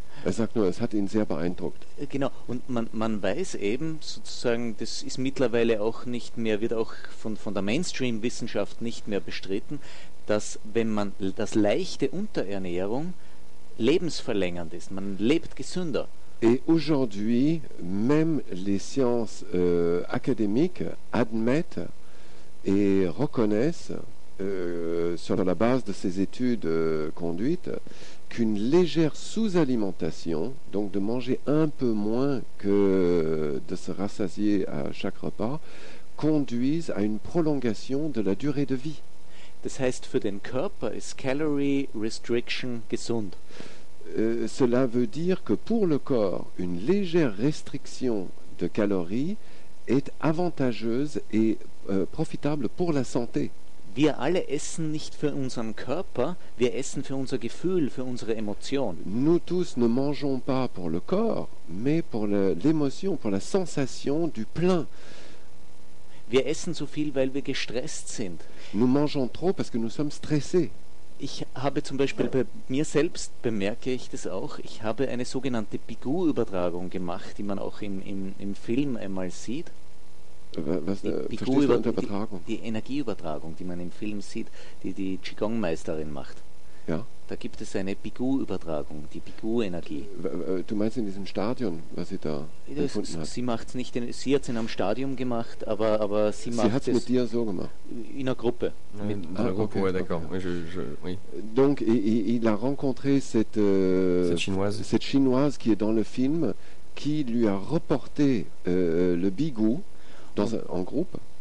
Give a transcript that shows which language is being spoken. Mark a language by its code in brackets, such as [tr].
[de] Er sagt nur, es hat ihn sehr beeindruckt. Genau, und man weiß eben sozusagen, das ist mittlerweile auch nicht mehr, wird auch von der Mainstream-Wissenschaft nicht mehr bestritten, dass wenn man das leichte Unterernährung lebensverlängernd ist, man lebt gesünder. [fr] Et aujourd'hui, même les sciences académiques admettent et reconnaissent sur la base de ces études conduites qu'une légère sous-alimentation, donc de manger un peu moins que de se rassasier à chaque repas, conduise à une prolongation de la durée de vie. [de] Das heißt, für den Körper ist calorie restriction gesund. [fr] Cela veut dire que pour le corps, une légère restriction de calories est avantageuse et profitable pour la santé. [de] Wir alle essen nicht für unseren Körper, wir essen für unser Gefühl, für unsere Emotion. [fr] Nous tous ne mangeons pas pour le corps, mais pour l'émotion, pour la sensation du plein. [de] Wir essen zu viel, weil wir gestresst sind. [fr] Nous mangeons trop parce que nous sommes stressés. [de] Ich habe zum Beispiel bei mir selbst, bemerke ich das auch, ich habe eine sogenannte Bigu-Übertragung gemacht, die man auch im Film einmal sieht. Was, die verstehst du unter Übertragung? Die Energieübertragung, die man im Film sieht, die Qigong-Meisterin macht. Ja. Da gibt es eine Bigu-Übertragung, die Bigu-Energie. Du meinst in diesem Stadion, was sie da gefunden hat? Sie macht es nicht, sie hat es in einem Stadion gemacht, aber sie macht es... Sie hat es mit dir so gemacht? In einer Gruppe. In einer Gruppe, ja, [fr] d'accord. Okay. Oui. Donc, il a rencontré cette Chinoise qui est dans le film, qui lui a reporté le Bigu, dans un groupe.